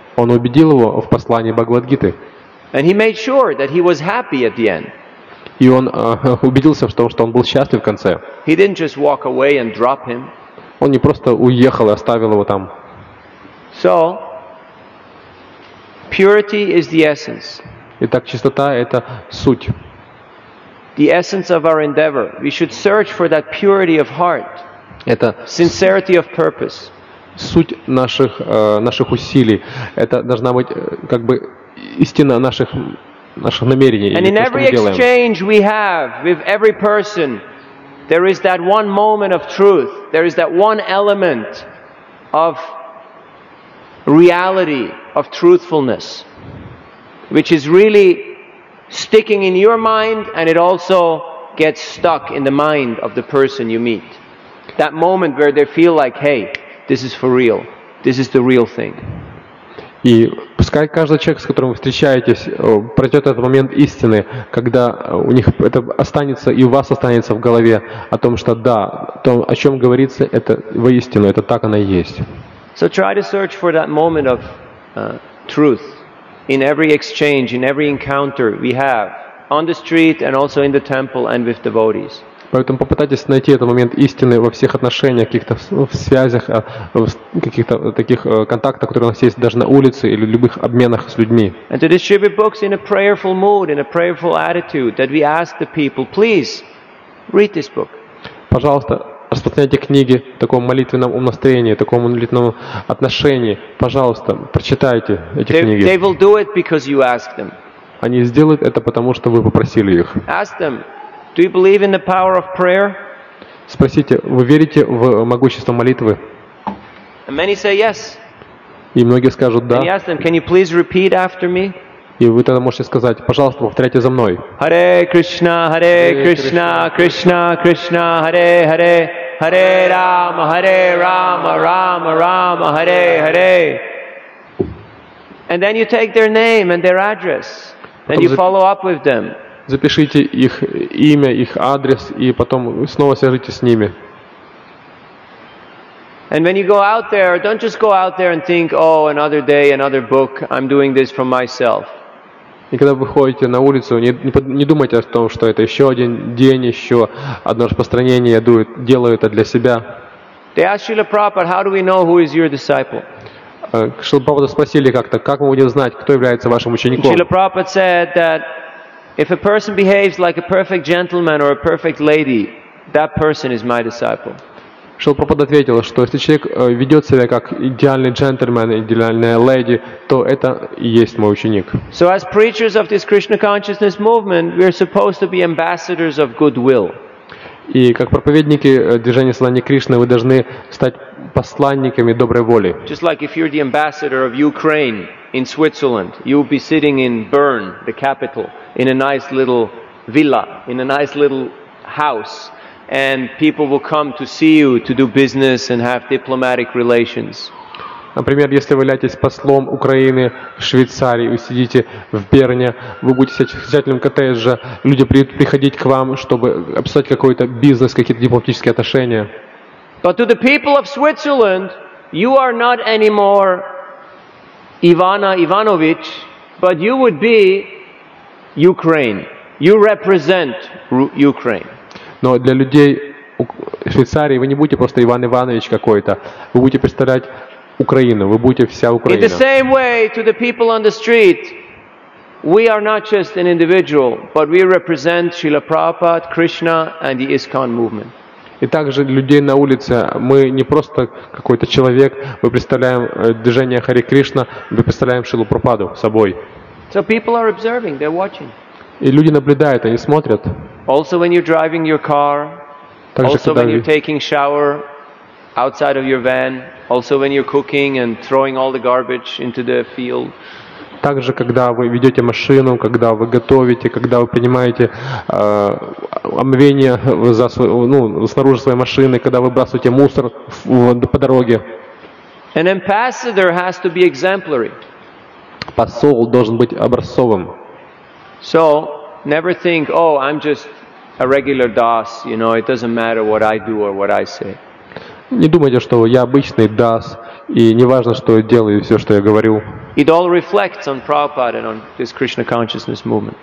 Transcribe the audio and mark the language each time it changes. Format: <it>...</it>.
<ru>Он убедил его в послании Бхагавад-гиты.</ru> <en>And he made sure that he was happy at the end.</en> <ru>И он убедился в том, что он был счастлив в конце.</ru> <en>He didn't just walk away and drop him.</en> <ru>Он не просто уехал и оставил его там.</ru> <en>So, purity is the essence.</en> <ru>Итак, чистота — это суть.</ru> <en>The essence of our endeavor. We should search for that purity of heart.</en> <ru>Это</ru> <en>sincerity of purpose.</en> <ru>Суть наших наших усилий. Это должна быть как бы истина наших намерений.</ru> <en>And in every exchange we have with every person, there is that one moment of truth, there is that one element of reality, of truthfulness, which is really sticking in your mind, and it also gets stuck in the mind of the person you meet. That moment where they feel like, hey, this is for real, this is the real thing.</en> <ru>И пускай каждый человек, с которым вы встречаетесь, пройдет этот момент истины, когда у них это останется и у вас останется в голове о том, что да, то, о чем говорится, это воистину, это так оно и есть.</ru> <en>So try to search for that moment of truth in every exchange, in every encounter we have on the street and also in the temple and with devotees.</en> <ru>Поэтому попытайтесь найти этот момент истины во всех отношениях, каких-то в связях, в каких-то таких контактах, которые у нас есть даже на улице или в любых обменах с людьми.</ru> <en>And to distribute books in a prayerful mood, in a prayerful attitude, that we ask the people, please, read this book.</en> <ru>Пожалуйста, распространяйте книги в таком молитвенном настроении, в таком молитвенном отношении. Пожалуйста, прочитайте эти книги.</ru> <en>They will do it because you ask them.</en> <ru>Они сделают это, потому что вы попросили их.</ru> <en>Ask them, do you believe in the power of prayer?</en> <ru>Спросите, вы верите в могущество молитвы?</ru> <en>And many say yes.</en> <ru>И многие скажут да.</ru> <en>And you ask them, can you please repeat after me?</en> <ru>И вы тогда можете сказать, пожалуйста, повторяйте за мной.</ru> <sa>Харе Кришна, Харе Кришна, Кришна Кришна, Харе Харе, Харе Рама, Харе Рама, Рама Рама, Харе Харе.</sa> <en>And then you take their name and their address. Then you follow up with them.</en> <ru>Запишите их имя, их адрес, и потом снова свяжитесь с ними.</ru> <en>And when you go out there, don't just go out there and think, oh, another day, another book, I'm doing this for myself.</en> <ru>И когда вы ходите на улицу, не думайте о том, что это еще один день, еще одно распространение, делаю это для себя.</ru> <en>They asked Srila Prabhupada, how do we know who is your disciple?</en> <ru>Шрила Прабхупада спросили как-то, как мы будем знать, кто является вашим учеником?</ru> <en>Шрила Прабхупада said that if a person behaves like a perfect gentleman or a perfect lady, that person is my disciple.</en> <ru>Шрила Прабхупада ответил, что если человек ведет себя как идеальный джентльмен, идеальная леди, то это и есть мой ученик.</ru> <en>So as preachers of this Krishna consciousness movement, we are supposed to be ambassadors of goodwill.</en> <ru>И как проповедники движения Сознания Кришны, вы должны стать посланниками доброй воли.</ru> <en>Just like if you're the ambassador of Ukraine in Switzerland, you'll be sitting in Bern, the capital, in a nice little villa, in a nice little house, and people will come to see you to do business and have diplomatic relations.</en> <ru>Например, если вы являетесь послом Украины в Швейцарии, вы сидите в Берне, вы будете сидеть в зрительном коттедже, люди будут приходить к вам, чтобы обсуждать какой-то бизнес, какие-то дипломатические отношения.</ru> <en>But to the people of Switzerland, you are not anymore Ivana Ivanovich, but you would be Ukraine. You represent Ukraine.</en> <ru>Но для людей Швейцарии вы не будете просто Иван Иванович какой-то, вы будете представлять Украину, вы будете вся Украина.</ru> <en>In the same way to the people on the street, we are not just an individual, but we represent Srila Prabhupada, Krishna and the ISKCON movement.</en> <ru>И также людей на улице, мы не просто какой-то человек, мы представляем движение Харе Кришна, мы представляем Шрилу Прабхупаду собой.</ru> <en>So people are observing, they're watching.</en> <ru>И люди наблюдают, они смотрят.</ru> <en>Also when you're driving your car,</en> <ru>также</ru> <en>also when you're taking shower outside of your van, also when you're cooking and throwing all the garbage into the field.</en> <ru>Также когда вы ведете машину, когда вы готовите, когда вы принимаете омовение снаружи своей машины, когда вы бросаете мусор по дороге.</ru> <en>An ambassador has to be exemplary.</en> <ru>Посол должен быть образцовым.</ru> <en>So never think, oh, I'm just a regular das, you know, it doesn't matter what I do or what I say.</en> <ru>Не думайте, что я обычный дас, и не важно, что я делаю и все, что я говорю.</ru> <en>It all reflects on Prabhupada and on this Krishna consciousness movement.</en>